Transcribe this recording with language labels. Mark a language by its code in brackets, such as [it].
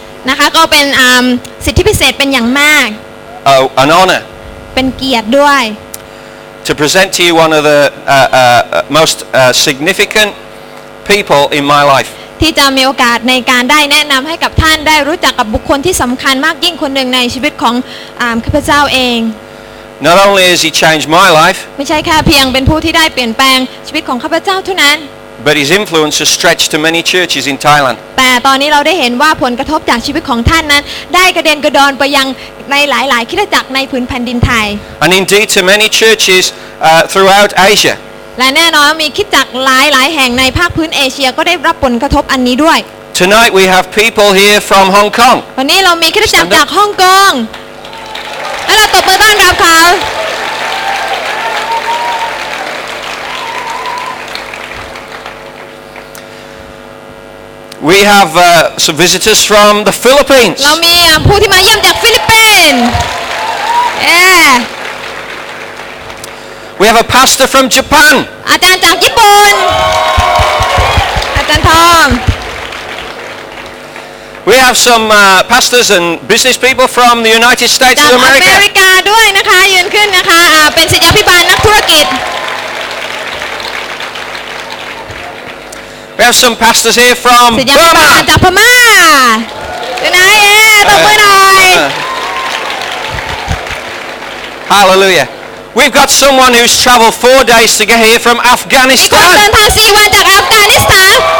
[th] นะคะก็เป็นสิทธิพิเศษเป็นอย่างมาก [en] An honor [th] เป็นเกียรติด้วย [en] To present to you one of the most significant people in my life. [th] ที่จะมีโอกาสในการได้แนะนำให้กับท่านได้รู้จักกับบุคคลที่สำคัญมากยิ่งคนหนึ่งในชีวิตของข้าพเจ้าเอง [en] Not only has he changed my life. [th] ไม่ใช่แค่เพียงเป็นผู้ที่ได้เปลี่ยนแปลงชีวิตของข้าพเจ้าเท่านั้น [en] But his influence has stretched to many churches in Thailand. [th] แต่ตอนนี้เราได้เห็นว่าผลกระทบจากชีวิตของท่านนั้นได้กระเด็นกระดอนไปยังในหลายๆคริสตจักรในพื้นแผ่นดินไทย [en] And indeed to many churches throughout Asia [th] และแน่นอนมีคริสตจักรหลายๆแห่งในภาคพื้นเอเชียก็ได้รับผลกระทบอันนี้ด้วย [en] Tonight we have people here from Hong Kong [th] วันนี้เรามีคริสตจักรจากฮ่องกงและเราตบมือต้อนรับเขา [en] We have some visitors from the Philippines [th] เรามีผู้ที่มาเยี่ยมจากฟิลิปปินส์ [en] We have a pastor from Japan. [th] อาจารย์จากญี่ปุ่น อาจารย์ทอม [en] We have some pastors and business people from the United States of America. [th] จากอเมริกาด้วยนะคะยืนขึ้นนะคะเป็นศิษยาภิบาลนักธุรกิจ [en] We have some pastors here from [th] ศิษยาภิบาลจากพม่าอยู่ไหนตบมือหน่อย [en] Hallelujah. We've got someone who's traveled 4 days to get here from Afghanistan. [th] มีคนเดินทาง 4 วันจาก Afghanistan.